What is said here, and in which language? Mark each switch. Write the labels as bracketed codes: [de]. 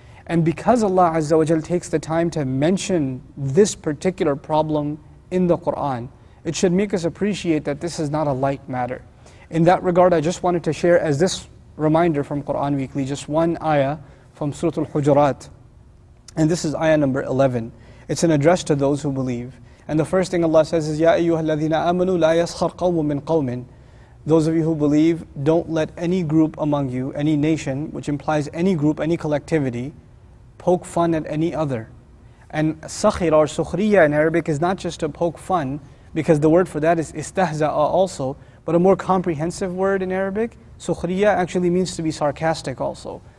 [en] And because Allah Azza wa Jal takes the time to mention this particular problem in the Qur'an, it should make us appreciate that this is not a light matter. In that regard, I just wanted to share as this reminder from Qur'an Weekly, just one ayah from Surah Al-Hujurat. And this is ayah number 11. It's an address to those who believe. And the first thing Allah says is, [ar] يَا أَيُّهَا الَّذِينَ آمَنُوا لَا يَسْخَرْ قَوْمٌ مِّن قَوْمٍ. [en] Those of you who believe, don't let any group among you, any nation, which implies any group, any collectivity, poke fun at any other. And sakhira or sukhriya in Arabic is not just to poke fun, because the word for that is istahza'a also, but a more comprehensive word in Arabic, sukhriya, actually means to be sarcastic also.